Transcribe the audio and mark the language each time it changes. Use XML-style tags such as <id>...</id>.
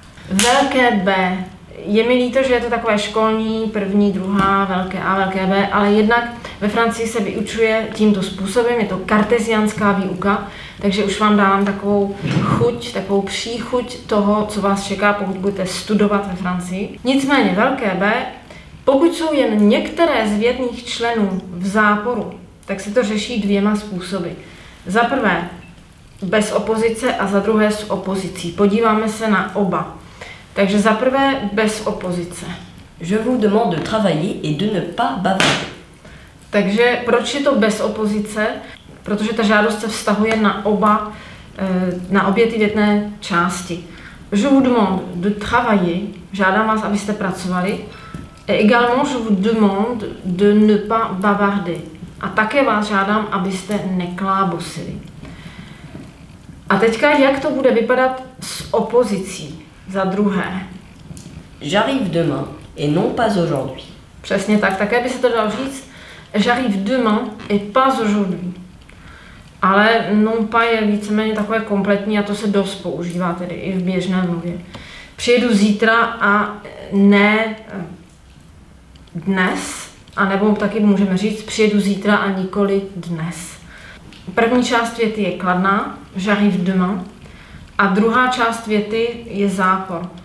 <cs>Velké B. Je mi líto, že je to takové školní, první, druhá, velké A, velké B, ale jednak ve Francii se vyučuje tímto způsobem, je to kartezianská výuka, takže už vám dávám takovou chuť, takovou příchuť toho, co vás čeká, pokud budete studovat ve Francii. Nicméně velké B, pokud jsou jen některé z větných členů v záporu, tak se to řeší dvěma způsoby. Za prvé bez opozice a za druhé s opozicí. Podíváme se na oba. Takže za prvé bez opozice.</cs> <fr>Je vous demande de travailler et de ne pas bavarder.</fr> <cs>Takže proč je to bez opozice? Protože ta žádost se vztahuje na oba, na obě ty větné části.</cs> <fr>Je vous demande de travailler.</fr> <cs>Žádám vás, abyste pracovali.</cs> <fr>Et également je vous demande de ne pas bavarder.</fr> <cs>A také vás žádám, abyste neklábosili. A teďka, jak to bude vypadat s opozicí? Za druhé.</cs> <fr>J'arrive demain et non pas aujourd'hui.</fr> <cs>Přesně tak, také by se to dalo říct.</cs> <fr>J'arrive demain et pas aujourd'hui.</fr> <cs>Ale non pas je víceméně takové kompletní a to se dost používá tedy i v běžné mluvě. Přijedu zítra a ne dnes. A nebo taky můžeme říct přijedu zítra a nikoli dnes. První část věty je kladná.</cs> <fr>J'arrive demain.</fr> <cs>A druhá část věty je zápor.</cs>